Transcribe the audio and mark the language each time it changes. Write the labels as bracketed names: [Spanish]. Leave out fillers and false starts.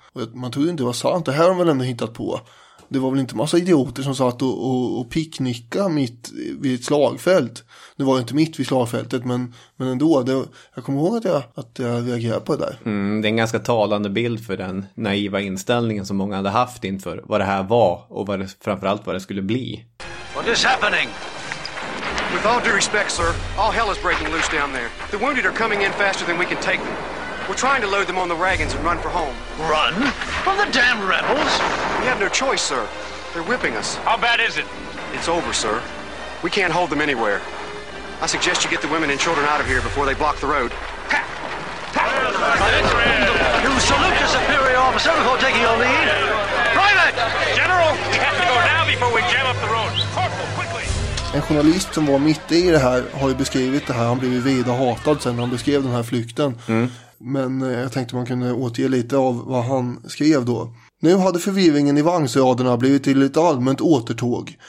[Swedish] Och man trodde inte det var sant. Det här har de väl ändå hittat på. Det var väl inte massa idioter som satt och picknicka mitt vid ett slagfält. Nu var det inte mitt vid slagfältet, men ändå. Jag kommer ihåg att jag reagerade på det där. Mm, det är en ganska talande bild för den naiva inställningen som många hade haft inför vad det här var och vad det, framförallt vad det skulle bli. [English] What is happening? With all due respect, sir, all hell is breaking loose down there. The wounded are coming in faster than we can take them. We're trying to load them on the wagons and run for home. Run? From the damn rebels? We have no choice, sir. They're whipping us. How bad is it? It's over, sir. We can't hold them anywhere. I suggest you get the women and children out of here before they block the road. Ha! Ha! You salute your superior officer before taking your lead. Private! General, we have to go now before we jam up the road. Corporal! [Swedish] En journalist som var mitt i det här har ju beskrivit det här. Han blev ju vida hatad sen när han beskrev den här flykten. Mm. Men jag tänkte man kunde återge lite av vad han skrev då. Nu hade förvirringen i vagnsraderna blivit till ett allmänt återtåg.